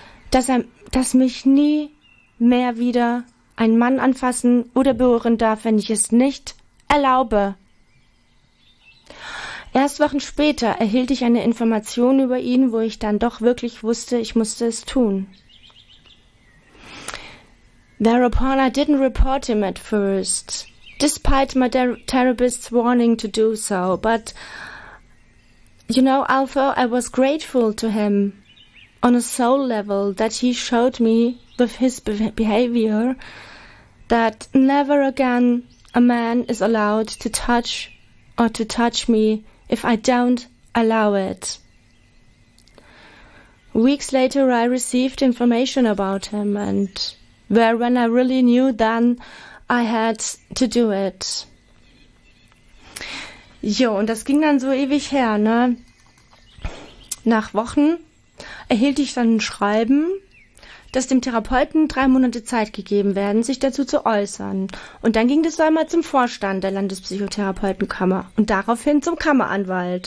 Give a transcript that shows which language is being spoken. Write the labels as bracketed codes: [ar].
[de] Dass mich nie mehr wieder ein Mann anfassen oder berühren darf, wenn ich es nicht erlaube. Erst Wochen später erhielt ich eine Information über ihn, wo ich dann doch wirklich wusste, ich musste es tun. [en] Thereupon I didn't report him at first, despite my therapist's warning to do so, but, you know, although I was grateful to him on a soul level that he showed me with his behavior that never again a man is allowed to touch or to touch me if I don't allow it. Weeks later I received information about him and where when I really knew then I had to do it. [de] Jo, und das ging dann so ewig her, ne? Nach Wochen erhielt ich dann ein Schreiben, dass dem Therapeuten 3 Monate Zeit gegeben werden, sich dazu zu äußern. Und dann ging das einmal zum Vorstand der Landespsychotherapeutenkammer und daraufhin zum Kammeranwalt.